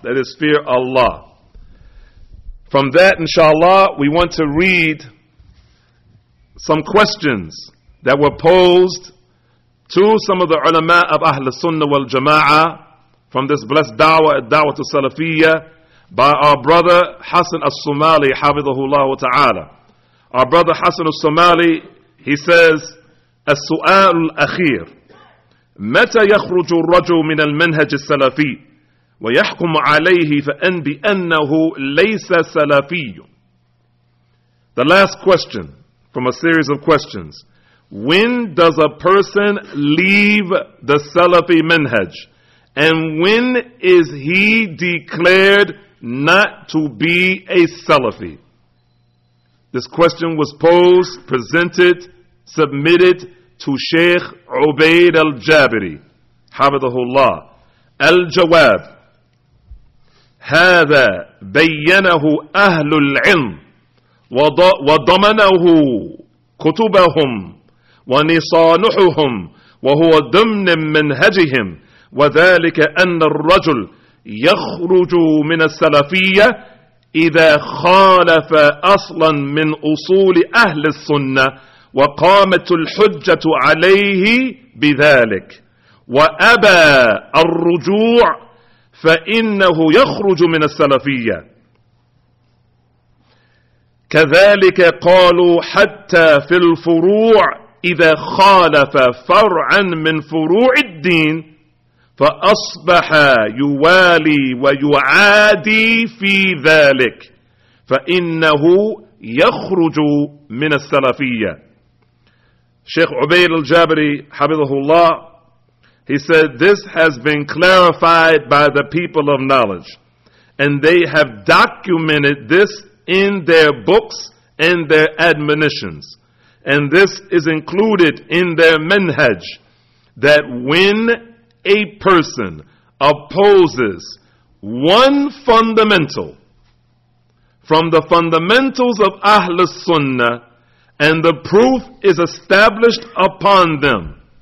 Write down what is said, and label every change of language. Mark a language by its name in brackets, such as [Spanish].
[English] That is, fear Allah. From that, inshallah, we want to read some questions that were posed to some of the ulama of Ahl Sunnah wal Jama'ah from this blessed da'wah, Da'wah Salafiyyah, by our brother Hassan al-Somali, hafidhahullah ta'ala. Our brother Hassan al-Somali, he says, [Arabic] السؤال الأخير متى يخرج الرجل من المنهج السلفي ويحكم عليه فإن بأنه ليس سلفي. [English] The last question from a series of questions. When does a person leave the Salafi manhaj? And when is he declared not to be a Salafi? This question was posed, presented, submitted to Sheikh Ubaid al-Jabiri, hafidhahullah. [Arabic] Al-Jawab, هذا بينه أهل العلم وضمنه كتبهم ونصانحهم وهو ضمن منهجهم وذلك أن الرجل يخرج من السلفية إذا خالف أصلا من أصول أهل السنة وقامت الحجة عليه بذلك وأبى الرجوع فإنه يخرج من السلفية كذلك قالوا حتى في الفروع إذا خالف فرعا من فروع الدين فأصبح يوالي ويعادي في ذلك فإنه يخرج من السلفية. [English] Sheikh Ubaid al-Jabiri, hafidhahullah, he said, this has been clarified by the people of knowledge, and they have documented this in their books and their admonitions. And this is included in their manhaj, that when a person opposes one fundamental from the fundamentals of Ahlus Sunnah, and the proof is established upon them,